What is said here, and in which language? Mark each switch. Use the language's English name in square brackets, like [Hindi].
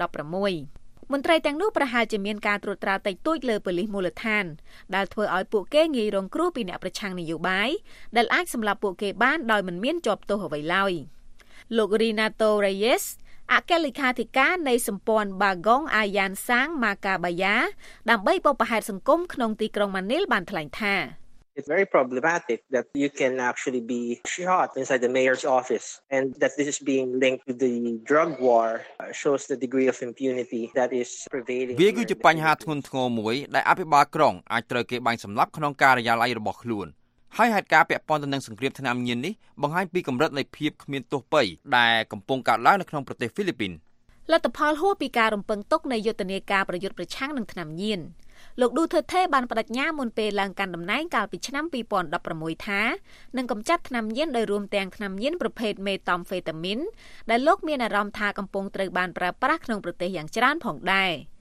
[Khmer] 2016មន្ត្រីទាំងនោះប្រហែលជាមានការត្រួតត្រាតិចតួចលើប៉ូលីសមូលដ្ឋានដែលធ្វើឲ្យពួកគេងាយរងគ្រោះពីអ្នកប្រឆាំងនយោបាយដែលអាចសម្លាប់ពួកគេបានដោយមិនមានជាប់ទោសអ្វីឡើយលោករីណាតូរ៉េយេសអគ្គលេខាធិការនៃសម្ព័ន្ធបាហ្គងអាយ៉ានសាងម៉ាកាបាយ៉ាដើម្បីបបហេតុសង្គមក្នុងទីក្រុងម៉ាណីលបានថ្លែងថា [English] It's very problematic that you can actually be shot inside the mayor's office and that this is being linked to the drug war shows the degree of impunity that is prevailing [Khmer] វាគឺជាបញ្ហាធ្ងន់ធ្ងរមួយដែលអភិបាលក្រុងអាចត្រូវគេបាញ់សម្លាប់ក្នុងការិយាល័យរបស់ខ្លួនហើយហេតុការណ៍ពាក់ព័ន្ធទៅនឹងសង្គ្រាមថ្នាំញៀននេះបង្ហាញពីកម្រិតនៃភាពគ្មានទោសពៃដែលកំពុងកើតឡើងនៅក្នុងប្រទេសហ្វីលីពីន លទ្ធផលហួរពីការរំពឹងទុកនៃយុទ្ធនាការប្រយុទ្ធប្រឆាំងនឹងថ្នាំញៀនលោកឌូធើធេបានបដិញ្ញាមុនពេលឡើងកាន់តំណែងកាលពីឆ្នាំ2016ថានឹងកម្ចាត់ថ្នាំញៀនដោយរួមទាំងថ្នាំញៀនប្រភេទមេតំហ្វេតាមីនដែលលោកមានអារម្មណ៍ថាកំពុងត្រូវបានប្រើប្រាស់ក្នុងប្រទេសយ៉ាងច្រើនផងដែរ